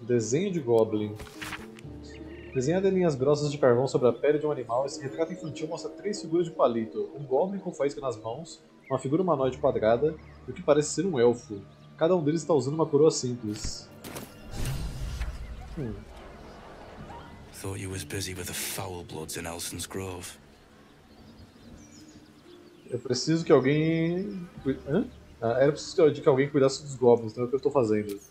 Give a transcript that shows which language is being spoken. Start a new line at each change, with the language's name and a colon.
Portuguese: Desenho de goblin. Desenhada em linhas grossas de carvão sobre a pele de um animal, esse retrato infantil mostra três figuras de palito. Um goblin com faísca nas mãos, uma figura humanoide quadrada e o que parece ser um elfo. Cada um deles está usando uma coroa simples.
English: Thought you was busy with the foul bloods in Elson's Grove.
Portuguese: Eu preciso que alguém... Hã? Era preciso de que alguém cuidasse dos goblins, então é o que eu estou fazendo.